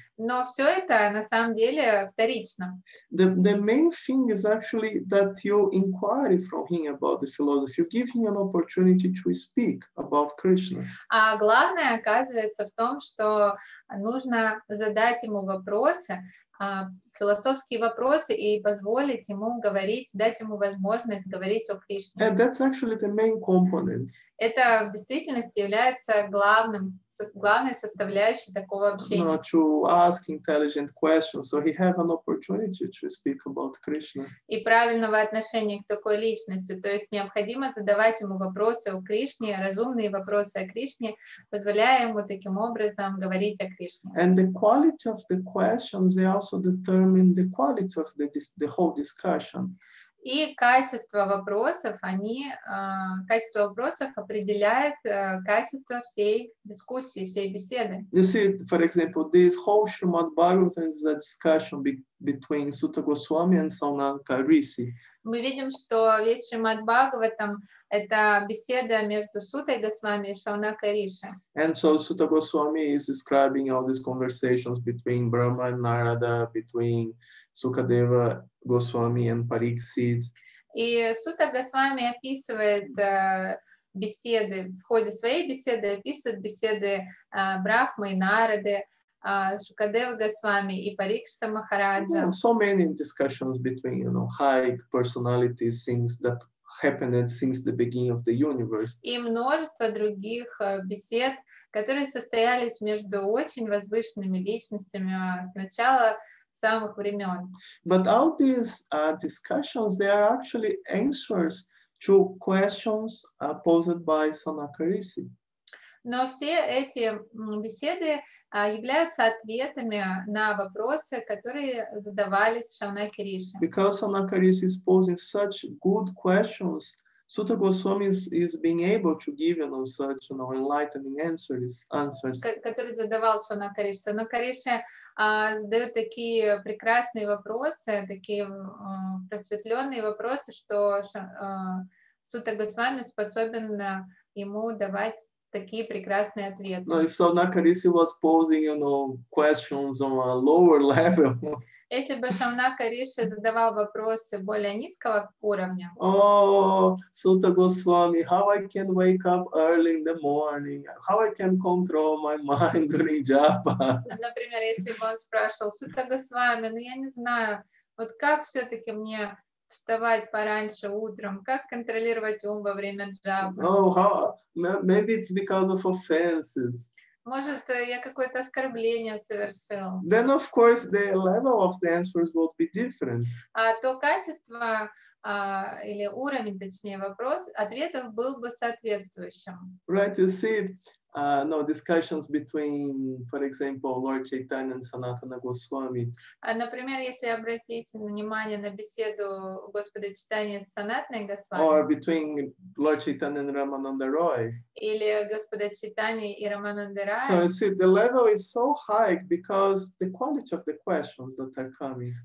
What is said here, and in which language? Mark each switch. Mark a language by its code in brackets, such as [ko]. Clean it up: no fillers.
[ru] Но все это на самом деле вторично. [en] The main thing is actually that you inquire from him about the philosophy, you give him an opportunity to speak about Krishna. [ru] А главное оказывается в том, что нужно задать ему вопросы, философские вопросы и позволить ему говорить, дать ему возможность говорить о Кришне. [en] And that's actually the main component. [ru] Это в действительности является главным главной составляющей такого общения. [en] Not to ask intelligent questions, so he have an opportunity to speak about Krishna. [ru] И правильного отношения к такой личности, то есть необходимо задавать ему вопросы о Кришне, разумные вопросы о Кришне, позволяя ему таким образом говорить о Кришне. [en] And the quality of the questions, they also determine the quality of the whole discussion. [ru] И качество вопросов, они, качество вопросов определяет качество всей дискуссии, всей беседы. [en] You see, for example, this whole Srimad Bhagavatam is a discussion between Sutta Goswami and Saunanka Risi. [ru] Мы видим, что весь Шримад Бхагаватам это беседа между Сутой Госвами и Шаунака Риши. [en] And so Sutta Goswami is describing all these conversations between Brahma and Narada, between Sukadeva Goswami and Pariksit. [ru] И Сута Госвами описывает беседы, в ходе своей беседы описывает беседы Брахмы и Нарады. Шукадева Госвами и Парикшита Махараджа. [en] So many discussions between, you know, high personalities, things that happened since the beginning of the universe. [ru] И множество других бесед, которые состоялись между очень возвышенными личностями с начала самых времен. [en] But all these discussions, they are actually answers to questions posed by Saunaka Risi. [ru] Но все эти беседы являются ответами на вопросы, которые задавались Шаунаке Риши. [en] Because Saunaka Risi is posing such good questions, Sutta Goswami is being able to give, you know, such, you know, enlightening answers. [ru] Который задавал Шаунака Риши. Шаунака Риши задает такие прекрасные вопросы, такие просветленные вопросы, что Сутта Госвами способен ему давать такие прекрасные ответы. [en] No, if Saunaka Risi was posing, you know, questions on a lower level. [ru] Если бы Саунака Риши задавал вопросы более низкого уровня. [en] Oh, Sutta Goswami, how I can wake up early in the morning? How I can control my mind during japa? [ru] Например, если бы он спрашивал Сутта Госвами, ну я не знаю, вот как все-таки мне вставать пораньше утром, как контролировать ум во время джапы. [en] Oh, how? Maybe it's because of offenses. [ru] Может, я какое-то оскорбление совершил. [en] Then, of course, the level of the answers will be different. [ru] А то качество, или уровень, точнее, вопрос, ответов был бы соответствующим. [en] Right, you see, no, discussions between, for example, Lord Chaitanya and Sanatana Goswami. [ru] Например, если обратить внимание на беседу Господа Чайтаньи с Санатаной Госвами. [en] Or between Lord Chaitanya and Рамананда Рой. [ru] Или Господа Чайтаньи и Рамананда Рой. [en] So you see, the level is so high because the quality of the questions that are coming.